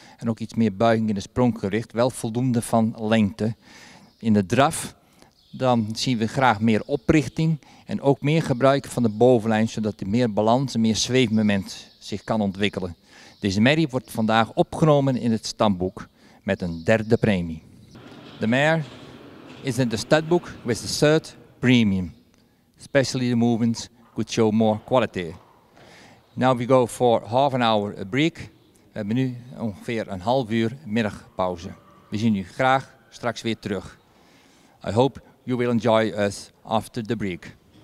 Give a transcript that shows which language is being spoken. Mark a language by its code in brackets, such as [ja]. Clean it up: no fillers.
[nl] En ook iets meer buiging in de spronggewricht, wel voldoende van lengte. In de draf, dan zien we graag meer oprichting en ook meer gebruik van de bovenlijn, zodat er meer balans en meer zweefmoment zich kan ontwikkelen. Deze merrie wordt vandaag opgenomen in het stamboek met een derde premie. [en] The mare is in the stud book with the third premium. Especially the movements could show more quality. Now we go for half an hour a break. [nl] We hebben nu ongeveer een half uur middagpauze. We zien u graag straks weer terug. [en] I hope you will enjoy us after the break.